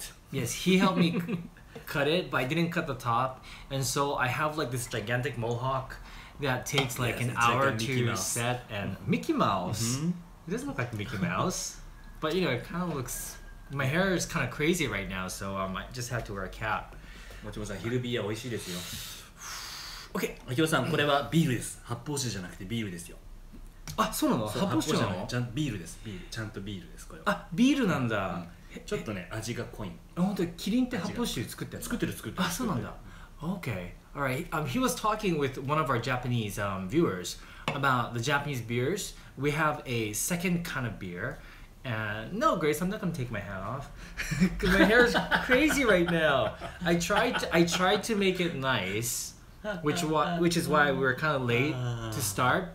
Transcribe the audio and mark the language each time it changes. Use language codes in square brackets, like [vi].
[en] Yes, he helped me cut it, but I didn't cut the top, and so I have like this gigantic mohawk that takes like an hour to set. And Mickey Mouse. Mm-hmm. It doesn't look like Mickey Mouse, but it kind of looks. My hair is kind of crazy right now, so I just have to wear a cap. Which was a hiru beer, [ja] oishii desu yo. [en] Okay, [ja] Akio-san, これはビールです。発泡酒じゃなくてビールですよ。あ、そうなの？発泡酒じゃない？ちゃんとビールです。ビール、ちゃんとビールです。これは。あ、ビールなんだ。ちょっとね、味が濃い。本当にキリンって発泡酒作ってる？作ってる。あ、そうなんだ。 [en] Okay, alright. He was talking with one of our Japanese viewers about the Japanese beers. We have a second kind of beer. No, Grace, I'm not going to take my hat off. My hair is crazy right now. I tried to make it nice, which is why we were kind of late to start.